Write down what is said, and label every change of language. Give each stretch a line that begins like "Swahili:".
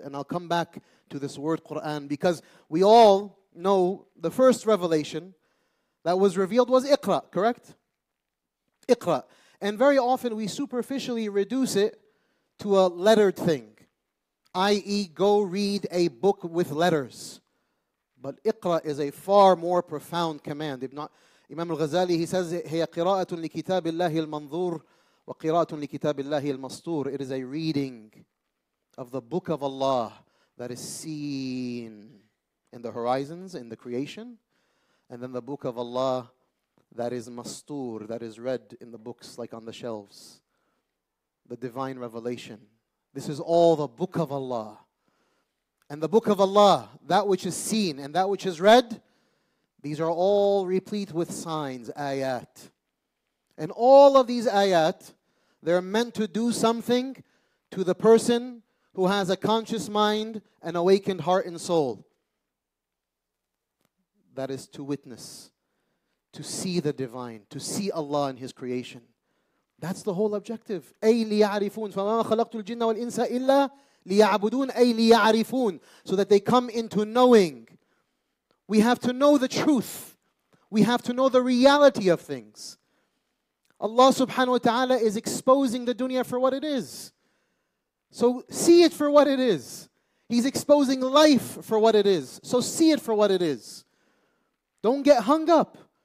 English: And I'll come back to this word Qur'an, because we all know the first revelation that was revealed was Iqra, correct? Iqra. And very often we superficially reduce it to a lettered thing, i.e. go read a book with letters. But Iqra is a far more profound command. Imam al-Ghazali, he says,
Arabic: هي قراءة لكتاب الله المنظور وقراءة لكتاب الله المسطور.
English: It is a reading of the book of Allah that is seen in the horizons, in the creation, and then the book of Allah that is mastur, that is read in the books like on the shelves. The divine revelation. This is all the book of Allah. And the book of Allah, that which is seen and that which is read, these are all replete with signs, ayat. And all of these ayat, they're meant to do something to the person who has a conscious mind, an awakened heart and soul. That is to witness, to see the divine, to see Allah in His creation. That's the whole objective.
Arabic: أي ليعرفون فما خلقت الجن والإنس إلا ليعبدون أي ليعرفون
English: So that they come into knowing. We have to know the truth. We have to know the reality of things. Allah subhanahu wa ta'ala is exposing the dunya for what it is. So see it for what it is. He's exposing life for what it is. So see it for what it is. Don't get hung up.